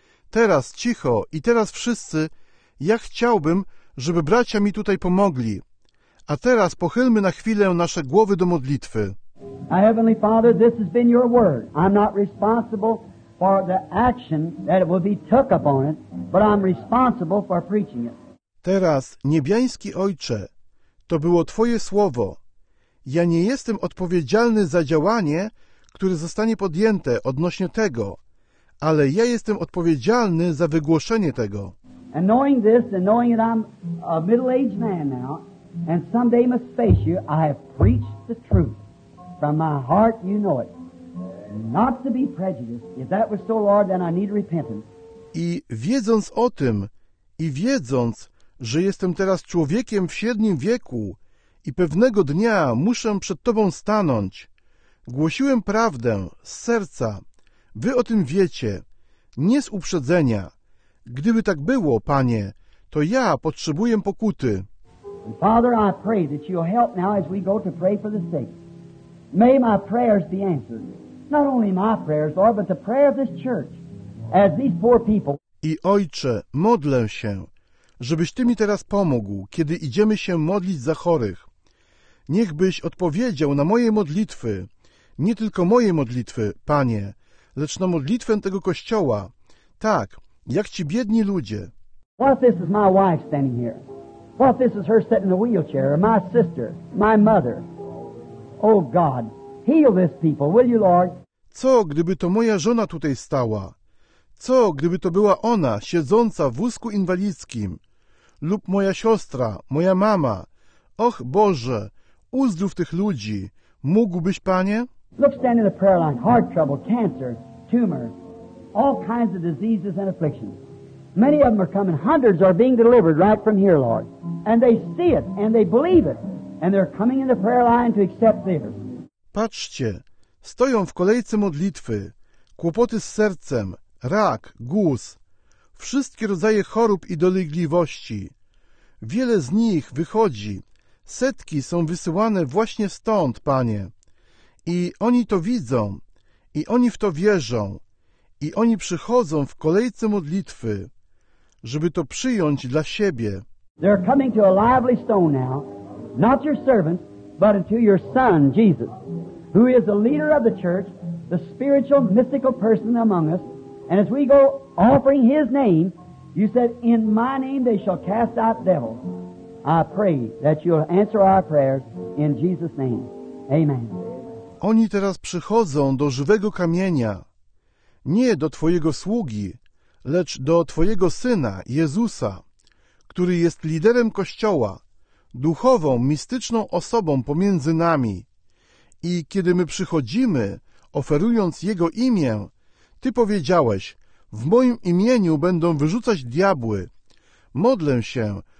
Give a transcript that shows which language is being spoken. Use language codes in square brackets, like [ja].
[pl] Teraz, cicho, i teraz wszyscy, ja chciałbym, żeby bracia mi tutaj pomogli. A teraz pochylmy na chwilę nasze głowy do modlitwy. [en] Now, Heavenly Father, this has been your word. I'm not responsible for the action that will be took upon it, but I'm responsible for preaching it. [pl] Teraz, niebiański Ojcze, to było Twoje słowo. Ja nie jestem odpowiedzialny za działanie, które zostanie podjęte odnośnie tego, ale ja jestem odpowiedzialny za wygłoszenie tego. [en] And knowing this, and knowing that I'm a middle-aged man now, and someday must face you, I have preached the truth. From my heart, you know it. Not to be prejudiced. If that was so, Lord, then I need repentance. [pl] I wiedząc o tym, i wiedząc, że jestem teraz człowiekiem w średnim wieku, i pewnego dnia muszę przed Tobą stanąć, głosiłem prawdę z serca. Wy o tym wiecie, nie z uprzedzenia. Gdyby tak było, Panie, to ja potrzebuję pokuty. [en] Father, I pray that you'll help now as we go to pray for the sick. May my prayers be answered. Not only my prayers, Lord, but the prayer of this church, as these poor people. [pl] I Ojcze, modlę się, żebyś Ty mi teraz pomógł, kiedy idziemy się modlić za chorych. Niech byś odpowiedział na moje modlitwy, nie tylko moje modlitwy, Panie, lecz na modlitwę tego Kościoła. Tak, jak ci biedni ludzie. [en] What if this is my wife standing here? What if this is her sitting in a wheelchair, or my sister, my mother? Oh God, heal this people, will you, Lord? [pl] Co, gdyby to moja żona tutaj stała? Co, gdyby to była ona, siedząca w wózku inwalidzkim? Lub moja siostra, moja mama? Och, Boże, uzdrów tych ludzi. Mógłbyś, Panie? [en] Look, stand in the prayer line. Heart trouble, cancer, tumor, all kinds of diseases and afflictions. Many of them are coming. Hundreds are being delivered right from here, Lord. And they see it, and they believe it. And they're coming in the prayer line to accept theirs. [pl] Patrzcie, stoją w kolejce modlitwy. Kłopoty z sercem, rak, guz. Wszystkie rodzaje chorób i dolegliwości. Wiele z nich wychodzi. Setki są wysyłane właśnie stąd, Panie. I oni to widzą. I oni w to wierzą. I oni przychodzą w kolejce modlitwy, żeby to przyjąć dla siebie. [en] They're coming to a lively stone now. Not your servant, but unto your son, Jesus, who is the leader of the church, the spiritual, mystical person among us. And as we go offering his name, you said, in my name they shall cast out devils. I pray that you'll answer our prayers in Jesus' name. Amen. [pl] Oni teraz przychodzą do żywego kamienia, nie do Twojego sługi, lecz do Twojego Syna, Jezusa, który jest liderem Kościoła, duchową, mistyczną osobą pomiędzy nami. I kiedy my przychodzimy, oferując Jego imię, Ty powiedziałeś, w moim imieniu będą wyrzucać diabły. Modlę się,